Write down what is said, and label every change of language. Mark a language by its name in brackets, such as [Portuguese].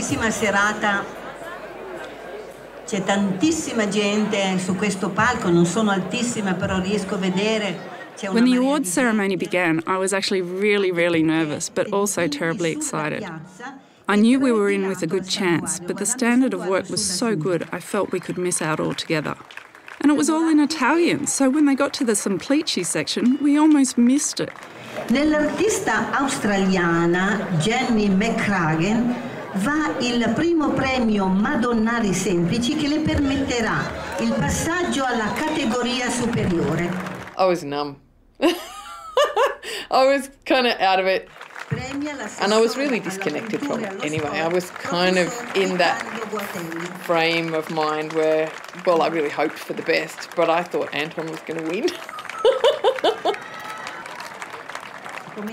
[Italian] Serata, c'è tantissima gente su questo palco, non sono altissima però riesco a vedere. [English] When the award ceremony began, I was actually really, really nervous, but also terribly excited. I knew we were in with a good chance, but the standard of work was so good, I felt we could miss out altogether. And it was all in Italian, so when they got to the Semplici section, we almost missed it. [Italian] Nell'artista australiana Jenny McCracken va il primo premio Madonnari Semplici che le permetterà il passaggio alla categoria superiore. [English] I was numb. I was kind of out of it. And I was really disconnected from it anyway. I was kind of in that frame of mind where, well, I really hoped for the best, but I thought Anton was going to win.